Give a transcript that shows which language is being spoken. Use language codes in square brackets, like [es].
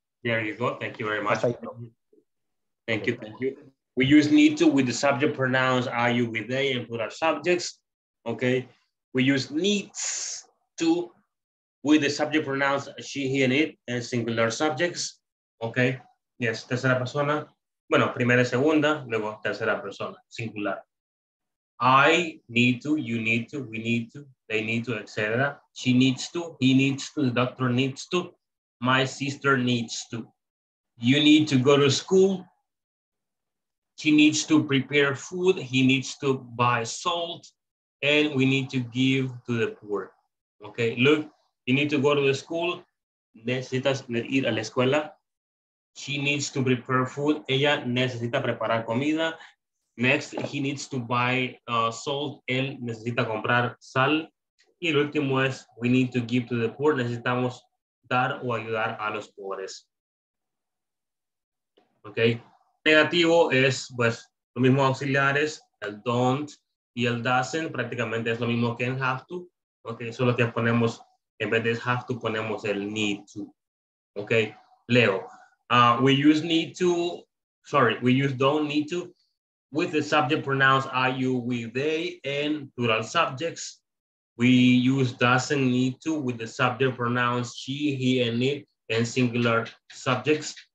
[en] There you go. Thank you very much. Thank you. Thank you. We use need to with the subject pronouns I, you, we, they, and plural subjects. Okay. We use needs to with the subject pronouns she, he, and it, and singular subjects. [es] Okay, [en] yes, [es] tercera persona. Bueno, primera y segunda, luego tercera persona, singular. [en] I need to, you need to, we need to, they need to, etc. She needs to, he needs to, the doctor needs to, my sister needs to. You need to go to school. She needs to prepare food. He needs to buy salt. And we need to give to the poor. Okay, look, you need to go to the school. [es] Necesitas ir a la escuela. [en] She needs to prepare food. [es] Ella necesita preparar comida. [en] Next, he needs to buy salt. [es] Él necesita comprar sal. Y el último es, [en] we need to give to the poor. [es] Necesitamos dar o ayudar a los pobres. Okay, negativo es, pues, lo mismo auxiliares, el don't. Y el doesn't prácticamente es lo mismo que en have to, ok, solo que ponemos, en vez de have to, ponemos el need to, ok. [en] Leo, we use need to, sorry, we use don't need to with the subject pronouns I, you, we, they, and plural subjects. We use doesn't need to with the subject pronouns she, he, and it, and singular subjects.